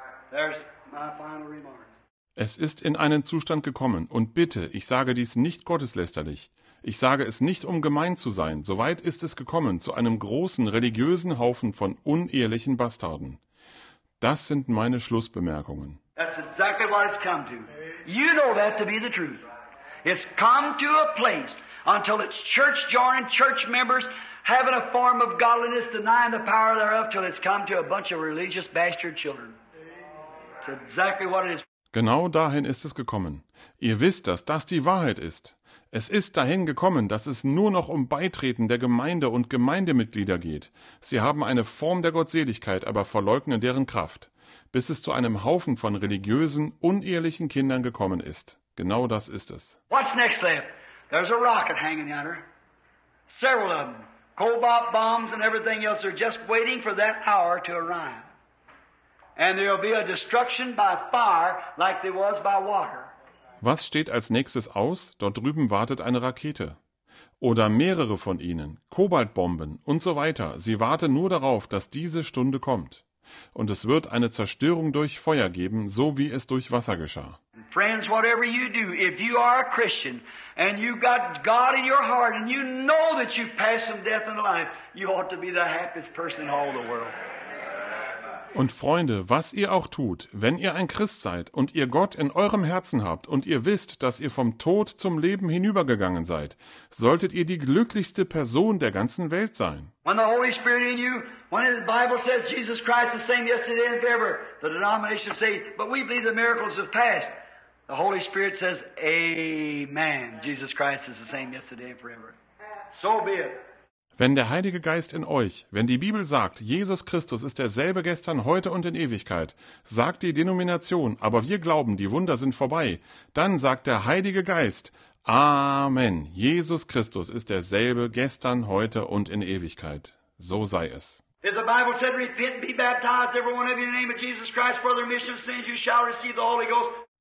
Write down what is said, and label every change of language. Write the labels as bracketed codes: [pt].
[en] There's my final remarks. [de] Es ist in einen Zustand gekommen und bitte, ich sage dies nicht gotteslästerlich. Ich sage es nicht, um gemein zu sein, soweit ist es gekommen, zu einem großen religiösen Haufen von unehelichen Bastarden. Das sind meine Schlussbemerkungen. [en] That's exactly what it's come to. You know that to be the truth. It's come to a place until it's church joining, church members having a form of godliness, denying the power thereof, till it's come to a bunch of religious bastard children. It's exactly what it is. [de] Genau dahin ist es gekommen. Ihr wisst, dass das die Wahrheit ist. Es ist dahin gekommen, dass es nur noch um Beitreten der Gemeinde und Gemeindemitglieder geht. Sie haben eine Form der Gottseligkeit, aber verleugnen deren Kraft, bis es zu einem Haufen von religiösen, unehrlichen Kindern gekommen ist. Genau das ist es. [en] What's next left? There's a rocket hanging out there. Several of them. Cobalt bombs and everything else are just waiting for that hour to arrive. And there will be a destruction by fire like there was by water. [de] Was steht als nächstes aus? Dort drüben wartet eine Rakete. Oder mehrere von ihnen, Kobaltbomben und so weiter. Sie warten nur darauf, dass diese Stunde kommt. Und es wird eine Zerstörung durch Feuer geben, so wie es durch Wasser geschah. [en] Friends, whatever you do, if you are a Christian and you've got God in your heart and you know that you've passed from death into life, you ought to be the happiest person in all the world. [de] Und Freunde, was ihr auch tut, wenn ihr ein Christ seid und ihr Gott in eurem Herzen habt und ihr wisst, dass ihr vom Tod zum Leben hinübergegangen seid, solltet ihr die glücklichste Person der ganzen Welt sein. [en] When the Holy Spirit in you, when the Bible says Jesus Christ the same yesterday and forever, the denomination say, but we believe the miracles have passed. The Holy Spirit says, Amen. Jesus Christ is the same yesterday and forever. So be it. [de] Wenn der Heilige Geist in euch, wenn die Bibel sagt, Jesus Christus ist derselbe gestern, heute und in Ewigkeit, sagt die Denomination, aber wir glauben, die Wunder sind vorbei, dann sagt der Heilige Geist, Amen, Jesus Christus ist derselbe gestern, heute und in Ewigkeit. So sei es. [en] If the Bible said, repent and be baptized, every one of you in the name of Jesus Christ for the remission of sins, you shall receive the Holy Ghost.